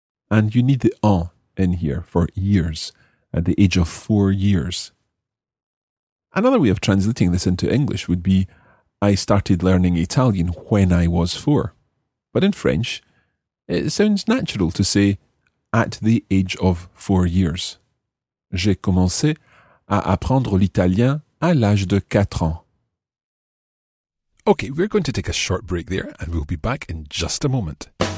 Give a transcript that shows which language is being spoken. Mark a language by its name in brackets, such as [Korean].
[English] And you need the en in here for years. At the age of 4 years. Another way of translating this into English would be I started learning Italian when I was 4. But in French, it sounds natural to say at the age of 4 years. [French] J'ai commencé à apprendre l'italien à l'âge de 4 ans. [English] Okay, we're going to take a short break there and we'll be back in just a moment.